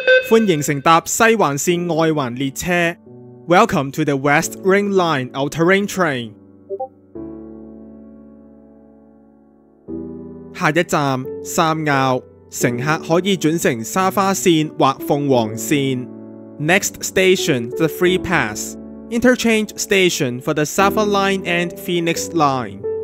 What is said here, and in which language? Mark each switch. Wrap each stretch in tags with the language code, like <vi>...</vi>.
<zh>欢迎乘搭西环线外环列车。</zh> <en>Welcome to the West Ring Line All-Terrain Train.</en> <zh>下一站三坳，乘客可以转乘沙花线或凤凰线。</zh> <en>Next station, the Free Pass. Interchange station for the Safa Line and Phoenix Line.</en>